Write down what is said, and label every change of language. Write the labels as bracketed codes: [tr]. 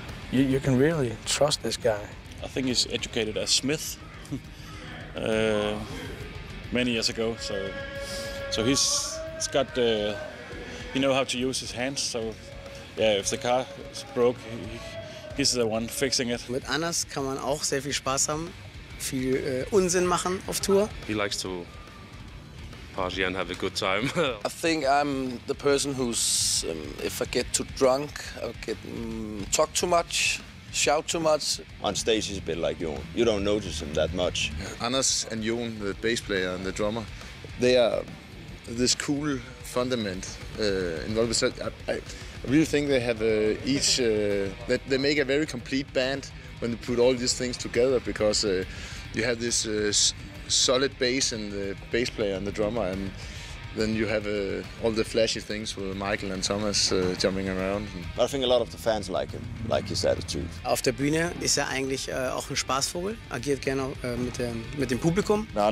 [en] You can really trust this guy. I think he's educated as smith many years ago. So he's got, he knows how to use his hands. So yeah, if the car is broke, he's the one fixing it. [de] Mit Anas kann man auch sehr viel Spaß haben, viel Unsinn machen auf Tour. [en] He likes to party and have a good time. I think I'm the person who's, if I get too drunk, I'll get talk too much, shout too much. On stage he's a bit like Jon. You don't notice him that much. Yeah. Anas and Jon, the bass player and the drummer, they are this cool fundament in Volbeat. I really think they have that they make a very complete band when they put all these things together, because you have this solid bass and the bass player and the drummer, and then you have all the flashy things with Michael and Thomas jumping around. I think a lot of the fans like him, like his attitude. [de] Auf der Bühne ist eigentlich auch ein Spaßvogel, agiert gerne mit dem Publikum.